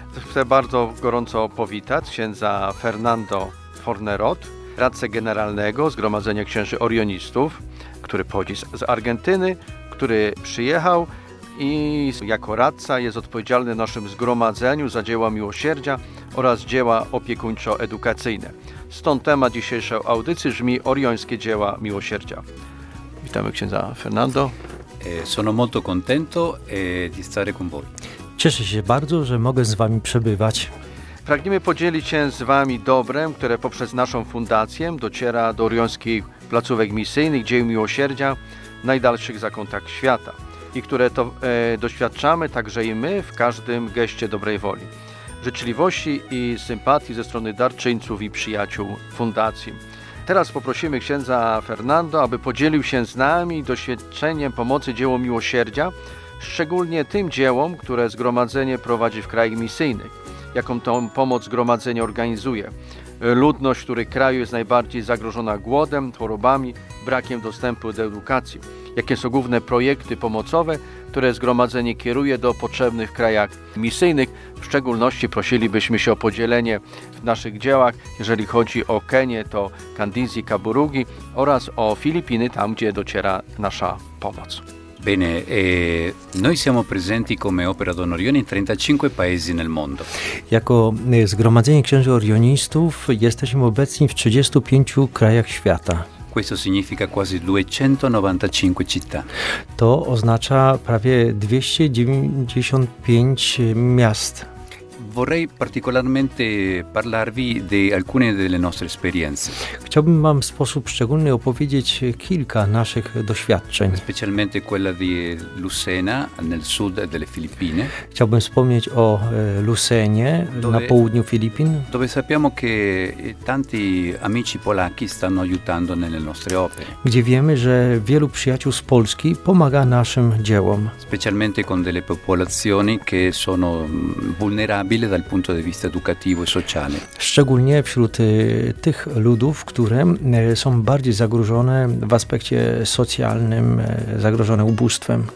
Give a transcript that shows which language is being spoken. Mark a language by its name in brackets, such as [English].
[Polish] Chcę bardzo gorąco powitać księdza Fernando Fornerot, radcę generalnego Zgromadzenia Księży Orionistów, który pochodzi z Argentyny, który przyjechał i jako radca jest odpowiedzialny w naszym zgromadzeniu za dzieła miłosierdzia oraz dzieła opiekuńczo-edukacyjne. Stąd temat dzisiejszej audycji brzmi Oriońskie dzieła miłosierdzia. Witamy księdza Fernando. [Italian] Sono molto contento di stare con voi. [Polish] Cieszę się bardzo, że mogę z wami przebywać. Pragniemy podzielić się z wami dobrem, które poprzez naszą fundację dociera do oriońskich placówek misyjnych dzieł miłosierdzia w najdalszych zakątach świata. I które to doświadczamy także i my w każdym geście dobrej woli, życzliwości i sympatii ze strony darczyńców i przyjaciół fundacji. Teraz poprosimy księdza Fernando, aby podzielił się z nami doświadczeniem pomocy dzieło miłosierdzia, szczególnie tym dziełom, które zgromadzenie prowadzi w krajach misyjnych. Jaką tą pomoc zgromadzenie organizuje? Ludność, której kraju jest najbardziej zagrożona głodem, chorobami, brakiem dostępu do edukacji. Jakie są główne projekty pomocowe, które zgromadzenie kieruje do potrzebnych krajach misyjnych? W szczególności prosilibyśmy się o podzielenie w naszych dziełach, jeżeli chodzi o Kenię, to Kandizji, Kaburugi oraz o Filipiny, tam gdzie dociera nasza pomoc. [Italian] Bene, noi siamo presenti come Opera d'Orione in 35 paesi nel mondo. [Polish] Jako Zgromadzenie Księży Orionistów jesteśmy obecni w 35 krajach świata. [Italian] Questo significa quasi 295 città. [Polish] To oznacza prawie 295 miast. [Italian] Vorrei particolarmente parlarvi di alcune delle nostre esperienze. [Polish] Chciałbym wam w sposób szczególny opowiedzieć kilka naszych doświadczeń. [Italian] Specialmente quella di Lucena nel sud delle Filippine. [Polish] Chciałbym wspomnieć o Lucenie na południu Filippin. [Italian] Dove sappiamo che tanti amici polacchi stanno aiutando nelle nostre opere. [Polish] Gdzie wiemy, że wielu przyjaciół z Polski pomaga naszym dziełom. [Italian] Specialmente con delle popolazioni che sono vulnerabili. Dal punto di vista educativo e sociale. [Polish] Szczególnie wśród tych ludów, które są bardziej zagrożone w aspekcie socjalnym, zagrożone ubóstwem.